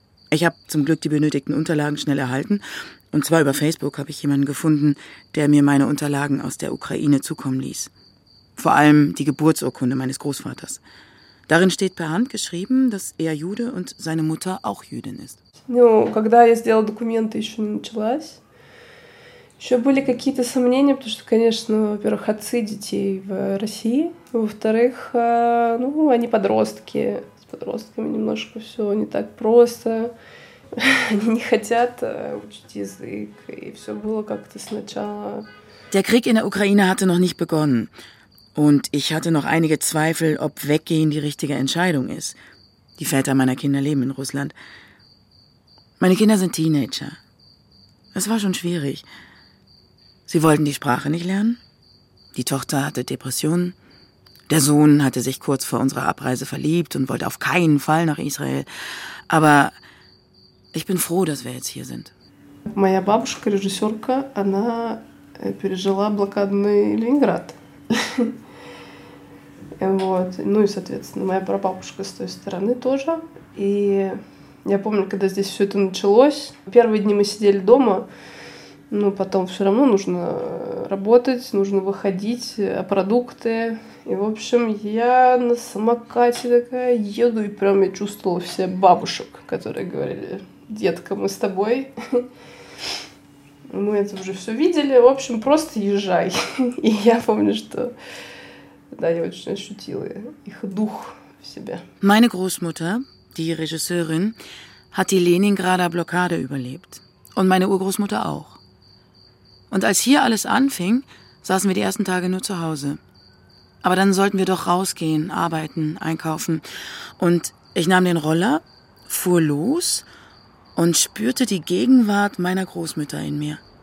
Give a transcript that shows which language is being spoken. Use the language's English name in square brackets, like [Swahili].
[German] Ich habe zum Glück die benötigten Unterlagen schnell erhalten. Und zwar über Facebook habe ich jemanden gefunden, der mir meine Unterlagen aus der Ukraine zukommen ließ. Vor allem die Geburtsurkunde meines Großvaters. Darin steht per Hand geschrieben, dass er Jude und seine Mutter auch Jüdin ist. [Russian] Ну, когда я сделала документы, еще не началась. Еще были какие-то сомнения, потому что, конечно, во-первых, отцы детей в России, во-вторых, ну, они подростки. С подростками немножко все не так просто. Они не хотят учить язык, и все было как-то сначала. [German] Der Krieg in der Ukraine hatte noch nicht begonnen. Und ich hatte noch einige Zweifel, ob Weggehen die richtige Entscheidung ist. Die Väter meiner Kinder leben in Russland. Meine Kinder sind Teenager. Es war schon schwierig. Sie wollten die Sprache nicht lernen. Die Tochter hatte Depressionen. Der Sohn hatte sich kurz vor unserer Abreise verliebt und wollte auf keinen Fall nach Israel. Aber ich bin froh, dass wir jetzt hier sind. [Russian] Моя бабушка, режиссерка, она пережила блокадный Ленинград. Вот. Ну и, соответственно, моя прабабушка с той стороны тоже. И я помню, когда здесь все это началось. Первые дни мы сидели дома, но потом все равно нужно работать, нужно выходить, продукты. И, в общем, я на самокате такая еду, и прям я чувствовала все бабушек, которые говорили, детка, мы с тобой. Мы это уже все видели. В общем, просто езжай. И я помню, что да, я очень ощутила их дух в себе. [German] Meine Großmutter, die Regisseurin, hat die Leningrader Blockade überlebt. Und meine Urgroßmutter auch. Und als hier alles anfing, saßen wir die ersten Tage nur zu Hause. Aber dann sollten wir doch rausgehen, arbeiten, einkaufen. Und ich nahm den Roller, fuhr los und spürte die Gegenwart meiner Großmütter in mir.